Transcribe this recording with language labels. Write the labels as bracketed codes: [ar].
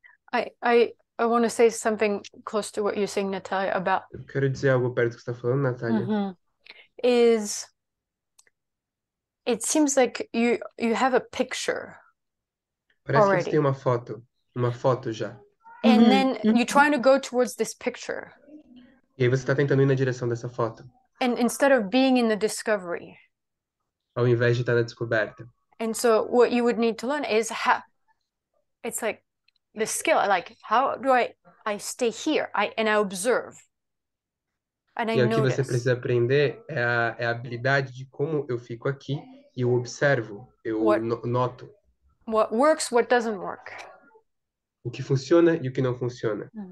[en] I want to say something close to what you're saying, Natalia, about [pt] Eu quero dizer algo perto do que você está falando, Natália. [en] is It seems like you have a picture [pt] Parece que eles têm [en] already. [pt] uma foto já. [en] And then you're trying to go towards this picture. [pt] E aí você está tentando ir na direção dessa foto. [en] And instead of being in the discovery. [pt] Ao invés de estar na descoberta. [en] And so what you would need to learn is how, it's like the skill, like how do I stay here? And I observe. And I [pt] e o que [en] notice. [pt] Você precisa aprender é a habilidade de como eu fico aqui e eu observo, eu noto. [en] What works, what doesn't work. [pt] O que funciona e o que não funciona.